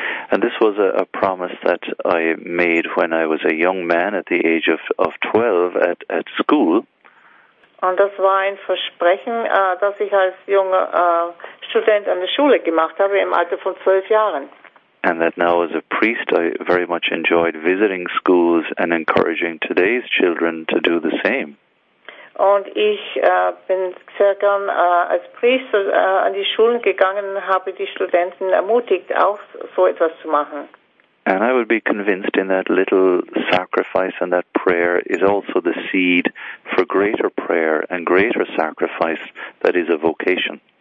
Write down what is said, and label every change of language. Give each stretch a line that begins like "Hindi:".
English: And this was a promise that I made when I was a young man at the age of 12 at school.
German: Und das war ein Versprechen, das ich als junger Student an der Schule gemacht habe, im Alter von 12 Jahren.
English: And that now as a priest, I very much enjoyed visiting schools and encouraging today's children to do the same.
German: Und ich bin sehr gern als Priester an die Schulen gegangen, habe die Studenten ermutigt, auch so etwas zu machen.
English: And I would be convinced in that little sacrifice and that prayer is also the seed for greater prayer and greater sacrifice that is a vocation.